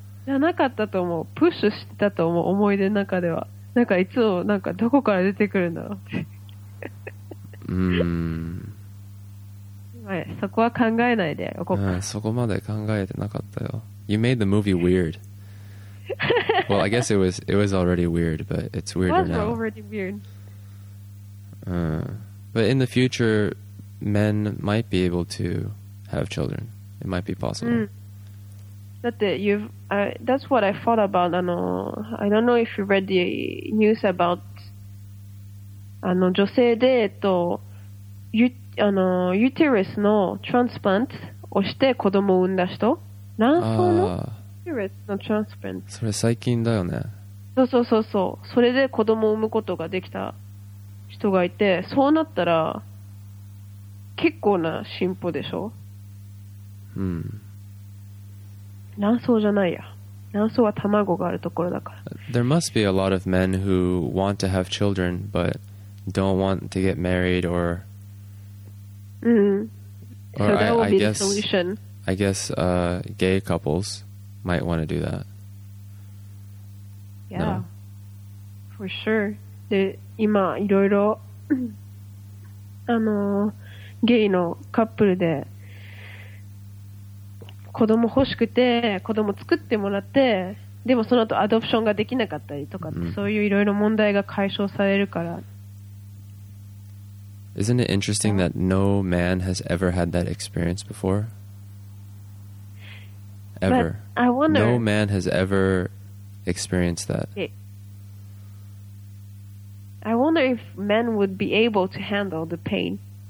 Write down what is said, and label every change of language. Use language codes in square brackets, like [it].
[ja] ゃなかったと思う。プッシュしてたと思う、思い出の中では。なんかいつもなんかどこから出てくるんだろうって。うーん、はい、そこは考えないでおこう。そこまで考えてなかったよ。 [en] You made the movie weird. Well, I guess it was already weird, but it's weirder now. It was already weird. But in the future, men might be able to have children. It might be possible. Mm. [ja] だって [en] you've, that's what I thought about. I don't know if you read the news about [ja] 女性で、ユテレスのトランスプラントをして子供を産んだ人、卵巣のユテレスのトランスプラント、それ最近だよね。そうそうそうそう、それで子供を産むことができた人がいて、そうなったら結構な進歩でしょ。うん、卵巣じゃないや。卵巣は卵があるところだから。 [en] There must be a lot of men who want to have children but don't want to get married or. Mm-hmm. Or so that would be the solution. I guess gay couples might want to do that. Yeah. No. For sure. [ja] で、今いろいろゲイのカップルで。子供欲しくて子供作ってもらって、でもその後アドプションができなかったりとか、mm-hmm. そういういろいろ問題が解消されるから。 [en] Isn't it interesting that no man has ever had that experience before? Ever. But I wonder, no man has ever experienced that. I wonder if men would be able to handle the pain.